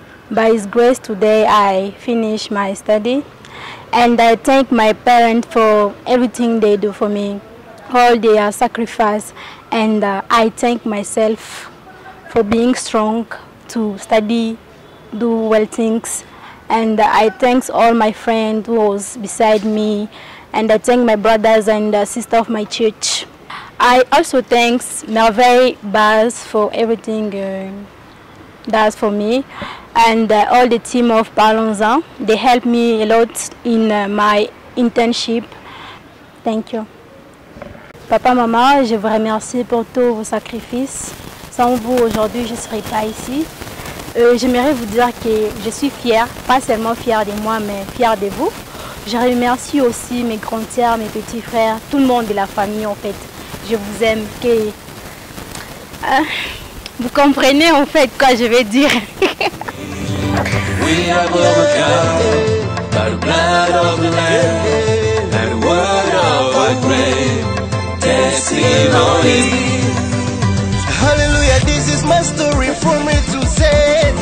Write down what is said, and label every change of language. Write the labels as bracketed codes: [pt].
[en] By his grace, today I finish my study, and I thank my parents for everything they do for me, all their sacrifice, and I thank myself for being strong to study, do well things, and I thank all my friends who was beside me, and I thank my brothers and sister of my church. I also thank Melvay Bars for everything does for me, and all the team of Parlons-En. They helped me a lot in my internship. Thank you. [fr] Papa, maman, je vous remercie pour tous vos sacrifices. Sans vous, aujourd'hui, je ne serais pas ici. J'aimerais vous dire que je suis fière, pas seulement fière de moi, mais fière de vous. Je remercie aussi mes grands-sœurs, mes petits frères, tout le monde de la famille, en fait. Je vous aime. Que... Vous comprenez en fait quoi je vais dire. [en] We are overcome by the blood of the Lamb and the word of our great testimony. Hallelujah, this is my story for me to say.